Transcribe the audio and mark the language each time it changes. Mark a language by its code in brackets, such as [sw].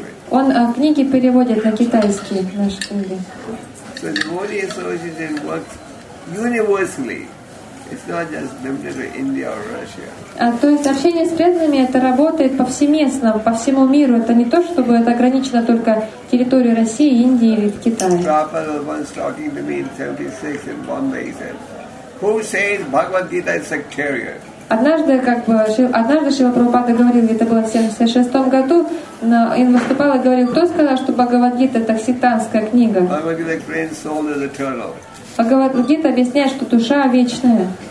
[ru] Он книги переводит на китайский, наши книги. [en] So devotee association works universally. It's not just limited to India or Russia. [ru] То есть общение с преданными это работает повсеместно, по всему миру. Это не то, чтобы это ограничено только территорией России, Индии или Китая. [en] Prabhupada was talking to me in 76 in Bombay. He said, "Who says Bhagavad Gita is sectarian?" [ru] Однажды Шрила Прабхупада говорил, это было в 76-м году, он выступал и говорил, кто сказал, что Бхагавад-гита — это сектантская книга? Бхагавад-гита объясняет, что душа вечная.